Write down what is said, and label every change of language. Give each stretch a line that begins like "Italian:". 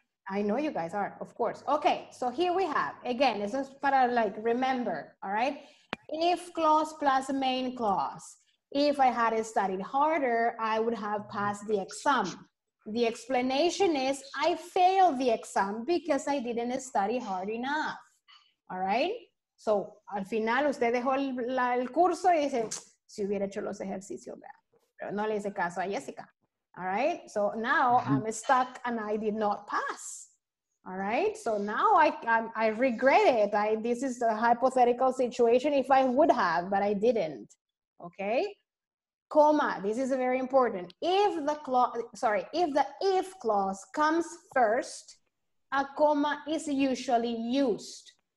English: I know you guys are, of course. Okay, so here we have again, this is para like remember. All right, if clause plus main clause. If I had studied harder, I would have passed the exam. The explanation is I failed the exam because I didn't study hard enough. All right, so
Spanish: al final usted dejó el curso y dice si hubiera hecho los ejercicios, vea. No le hice caso a Jessica.
English: All right. So now I'm stuck and I did not pass. All right. So now I regret it. This is a hypothetical situation if I would have, but I didn't. Okay. Comma. This is very important. If clause comes first, a comma is usually used.